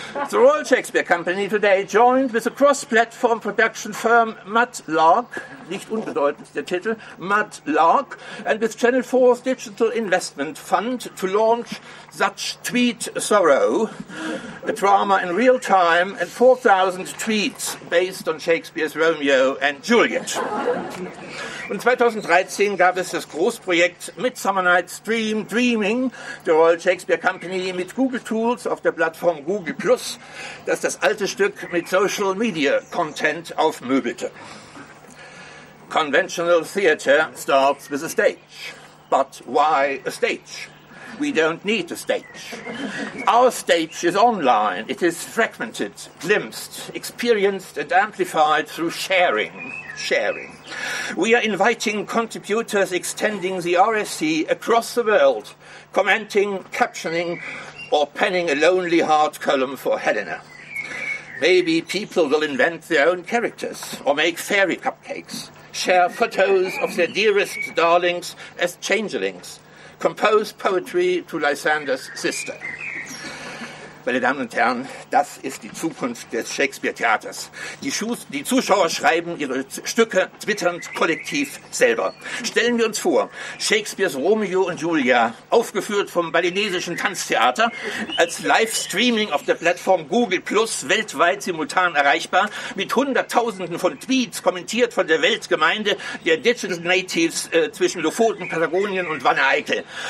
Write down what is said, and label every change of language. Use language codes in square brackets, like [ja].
[en] The Royal Shakespeare Company today joined with a cross-platform production firm Mudlark, [de] nicht unbedeutend der Titel, [en] Mudlark, and with Channel 4's Digital Investment Fund to launch Such Tweet Sorrow, a drama in real time and 4,000 tweets based on Shakespeare's Romeo and Juliet. [de] Und 2013 gab es das Großprojekt Midsummer Night's Dream Dreaming der Royal Shakespeare Company mit Google Tools auf der Plattform Google Plus, das das alte Stück mit Social Media Content aufmöbelte. [en] Conventional theater starts with a stage. But why a stage? We don't need a stage. Our stage is online. It is fragmented, glimpsed, experienced and amplified through sharing. Sharing. We are inviting contributors extending the RSC across the world, commenting, captioning, or penning a lonely heart column for Helena. Maybe people will invent their own characters or make fairy cupcakes, share photos of their dearest darlings as changelings, compose poetry to Lysander's sister. [de] Meine Damen und Herren, das ist die Zukunft des Shakespeare-Theaters. Die Zuschauer schreiben ihre Stücke twitternd kollektiv selber. Stellen wir uns vor, Shakespeares Romeo und Julia, aufgeführt vom balinesischen Tanztheater, als Livestreaming auf der Plattform Google Plus weltweit simultan erreichbar, mit Hunderttausenden von Tweets kommentiert von der Weltgemeinde der Digital Natives zwischen Lofoten, Patagonien und Wanne-Eickel.